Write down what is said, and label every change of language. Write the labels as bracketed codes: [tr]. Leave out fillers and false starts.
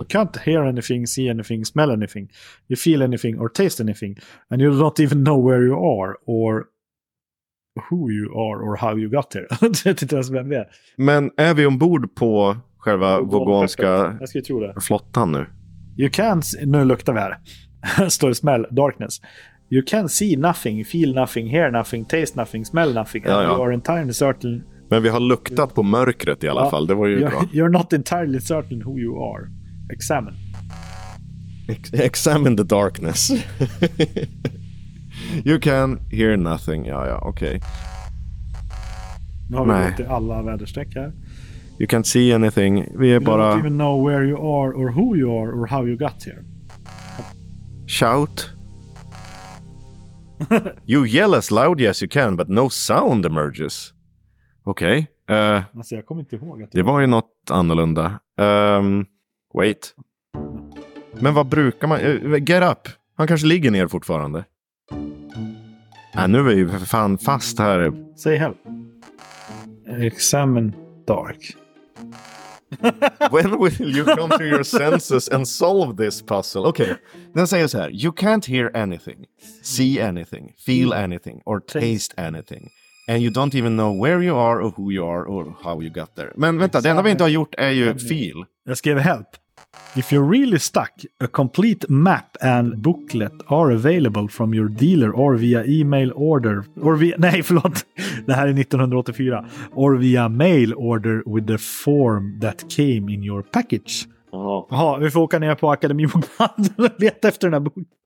[en] You can't hear anything, see anything, smell anything, you feel anything or taste anything, and you don't even know where you are or who you are or how you got here. [sv] Det är inte ens vem vi är. Men är vi ombord på själva vogonska flottan nu? [en] You can't see, [sv] nu luktar vi här. Står smell, darkness. [en] You can see nothing, feel nothing, hear nothing, taste nothing, smell nothing. Ja, ja. You are entirely certain. [sv] Men vi har luktat på mörkret i alla fall. Det var ju bra. [en] You're not entirely certain who you are. Examine. Examine the darkness. You can hear nothing. Ja, ja, okej. Okay. [sv] Nu har vi gått till alla väderstreck här. [en] You can't see anything. [sv] Vi är [en] you [sv] bara... [en] don't even know where you are or who you are or how you got here. Shout. You yell as loud as you can, but no sound emerges. Okej. Okay. [sv] Alltså, jag kommer inte ihåg att det var ju något annorlunda. Wait. Men vad brukar man... [en] get up! [sv] Han kanske ligger ner fortfarande. Nu är vi ju fan fast här. [en] Say help. Examine dark. When will you come to your senses and solve this puzzle? Okej. Okay. [sv] Den säger så här. [en] You can't hear anything, see anything, feel anything or taste anything. And you don't even know where you are or who you are or how you got there. [sv] Men vänta, det enda vi inte har gjort är ju feel. Jag skrev help. [en] If you're really stuck, a complete map and booklet are available from your dealer or via email order. Or via, [sv] nej, förlåt. Det här är 1984. [en] Or via mail order with the form that came in your package. [sv] Jaha, vi får åka ner på Akademibokhandeln och leta efter den här boken.